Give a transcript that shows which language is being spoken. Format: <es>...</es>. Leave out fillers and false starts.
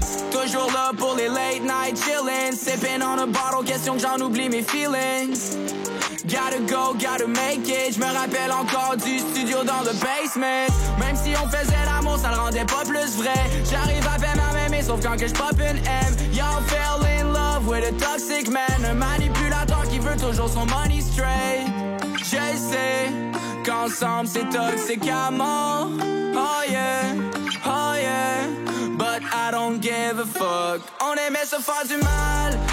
<fr>Toujours là pour les late night chillin'. Sippin' on a bottle, question que j'en oublie mes feelings. Gotta go, gotta make it. J'me rappelle encore du studio dans le basement. Même si on faisait l'amour, ça le rendait pas plus vrai. J'arrive à faire ma mémé, sauf quand que j'pop une M.</fr> <en>Y'all fell in love with a toxic man.</en> <fr>Un manipulateur qui veut toujours son money straight. Je sais qu'ensemble c'est toxique à mort.</fr> <en>Oh yeah, oh yeah. But I don't give a fuck.</en> <fr>On aimait se faire du mal.</fr>